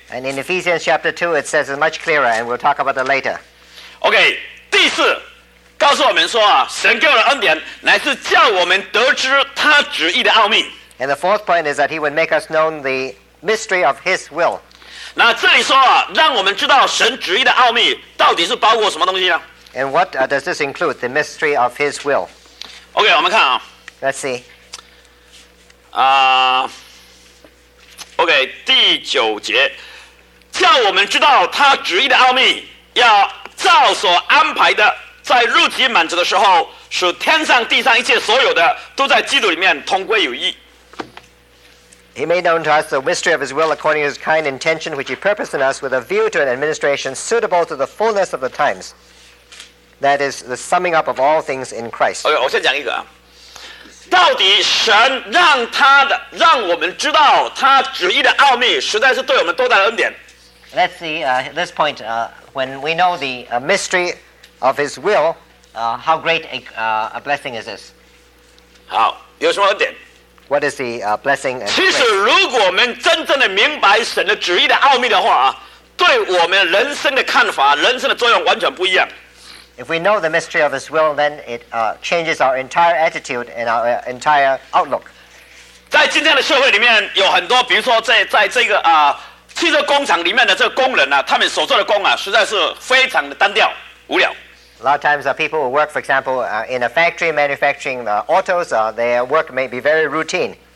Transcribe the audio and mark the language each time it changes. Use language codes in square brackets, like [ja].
[en] And in Ephesians chapter 2, it says it much clearer, and we'll talk about it later. [zh] Okay, 第四,告诉我们说,神给我们恩典,乃是叫我们得知他旨意的奥秘。 [en] And the fourth point is that he would make us known the mystery of his will. [zh] 那这里说,让我们知道神旨意的奥秘到底是包括什么东西呢? [en] And what does this include? The mystery of his will. [zh] Okay, 我们看啊。 [en] Let's see. [zh] Okay, 第九节,叫我们知道他旨意的奥秘,要照所安排的,在日期满足的时候,使天上地上一切所有的都在基督里面同归于一。 [en] He made known to us the mystery of his will according to his kind intention, which he purposed in us with a view to an administration suitable to the fullness of the times. That is the summing up of all things in Christ. [zh] Okay, 我先讲一个啊。到底神让我们知道他旨意的奥秘实在是对我们多大的恩典? [en] Let's see, at this point, when we know the mystery of his will, how great a blessing is this? [zh] 好, 有什么点? [en] What is the blessing? [zh] 其实如果我们真正的明白神的旨意的奥秘的话, 对我们人生的看法, 人生的作用完全不一样。 [en] If we know the mystery of his will, then it changes our entire attitude and our entire outlook. [zh] 在今天的社会里面有很多,比如说在这个...汽车工厂里面的这个工人啊,他们所做的工啊,实在是非常的单调,无聊。 [en] A lot of times people who work, for example, in a factory manufacturing autos, their work may be very routine.